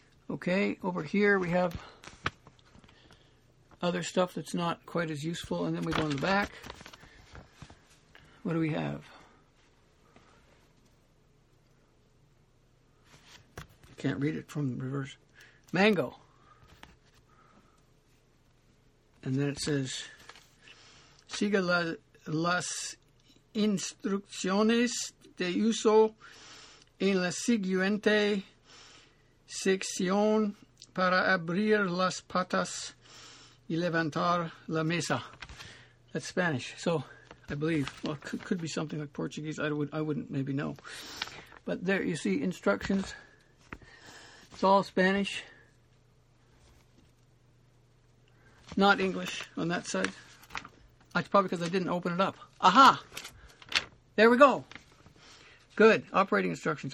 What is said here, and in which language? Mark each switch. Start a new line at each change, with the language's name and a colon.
English: Okay, over here we have other stuff that's not quite as useful. And then we go in the back. What do we have? I can't read it from the reverse. Mango. And then it says,
Spanish: siga las instrucciones de uso en la siguiente sección para abrir las patas y levantar la mesa.
English: That's Spanish. So, I believe. Well, it could be something like Portuguese. I wouldn't maybe know. But there, you see, instructions. It's all Spanish. Not English on that side. That's probably because I didn't open it up. Aha! There we go. Good. Operating instructions.